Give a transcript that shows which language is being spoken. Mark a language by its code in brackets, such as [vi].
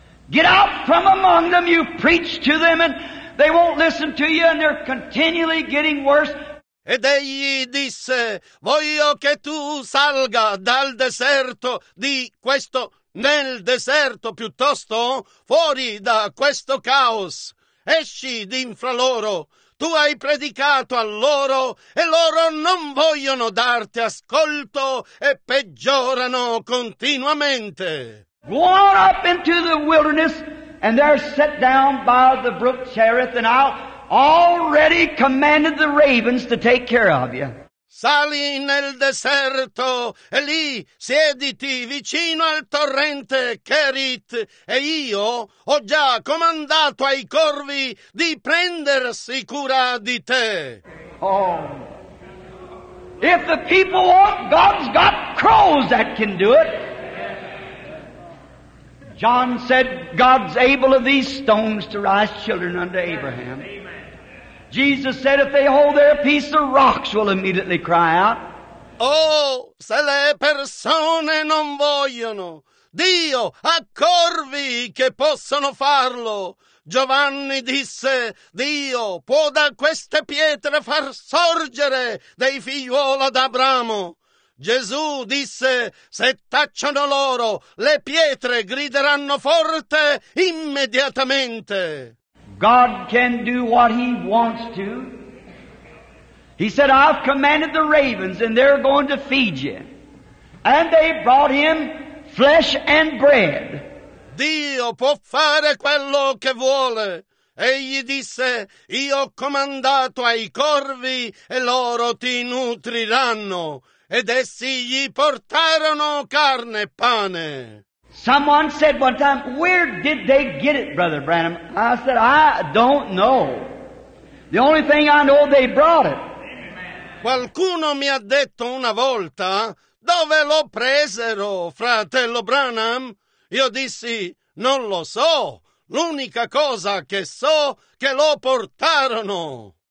[en] Get out from among them, you preach to them, and they won't listen to you, and they're continually getting worse. [it] Ed egli disse, voglio che tu salga dal deserto di questo, nel deserto piuttosto, fuori da questo caos. Esci d'infra loro. Tu hai predicato a loro e loro non vogliono darti ascolto e peggiorano continuamente. [en] Go on up into the wilderness and there sit down by the brook Cherith and I'll already commanded the ravens to take care of you. [it] Sali nel deserto e lì siediti vicino al torrente Cherith e io ho già comandato ai corvi di prendersi cura di te. [en] Oh, if the people want, God's got crows that can do it. John said, God's able of these stones to rise children unto Abraham. Jesus said, if they hold their peace, the rocks will immediately cry out. [it] Oh, se le persone non vogliono, Dio ha corvi che possono farlo. Giovanni disse, Dio può da queste pietre far sorgere dei figliuola d'Abramo. Gesù disse, se tacciano loro, le pietre grideranno forte immediatamente. [en] God can do what He wants to. He said, I've commanded the ravens and they're going to feed you. And they brought Him flesh and bread. [it] Dio può fare quello che vuole. Egli disse, io ho comandato ai corvi e loro ti nutriranno. Ed essi gli portarono carne e pane. [en] Someone said one time, where did they get it, Brother Branham? I said, I don't know. The only thing I know, they brought it. [it] Qualcuno mi ha detto una volta, dove lo presero, fratello Branham? Io dissi, non lo so. L'unica cosa che so, che lo portarono.